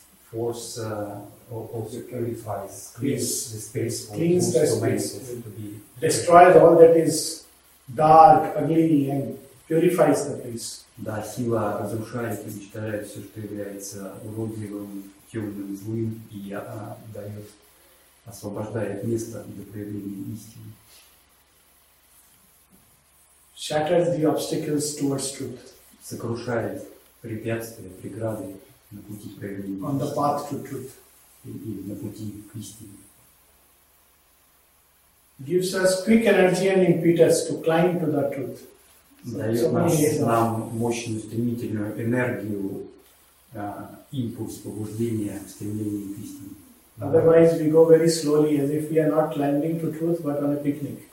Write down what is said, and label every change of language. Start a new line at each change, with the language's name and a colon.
English: Force also purifies, cleans the space for the space, destroys all that is dark, ugly, and purifies the place.
Russian: Да, сила разрушает и уничтожает все, что является уродливым, темным, злым, и дает, освобождает место для проявления истины.
English: Shatters the obstacles towards truth.
Russian: Сокрушает препятствия, преграды на пути к проявлению истины.
English: On the path to truth.
Russian: И на пути к истине.
English: Gives us quick energy and impetus to climb to the truth.
Russian: Дает нам мощную стремительную энергию, импульс, побуждение, стремление к истине.
English: Otherwise we go very slowly, as if we are not climbing to truth, but on a picnic.